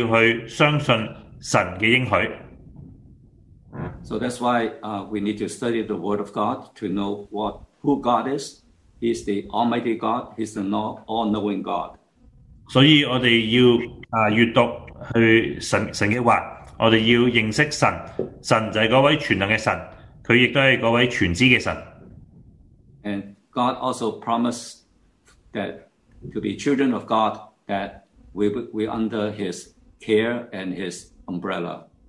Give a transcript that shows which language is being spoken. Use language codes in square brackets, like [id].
[zh] 换句话来说，信就是要晓得神的结果时，亦都是要去相信神的应许。 [en] So that's why we need to study the Word of God to know what who God is. He's the Almighty God. He's the all-knowing God. [zh] 所以我们要阅读神的话，我们要认识神，神就是那位全能的神，他亦都是那位全知的神。 [en] And God also promised that to be children of God, that we under His care and His umbrella.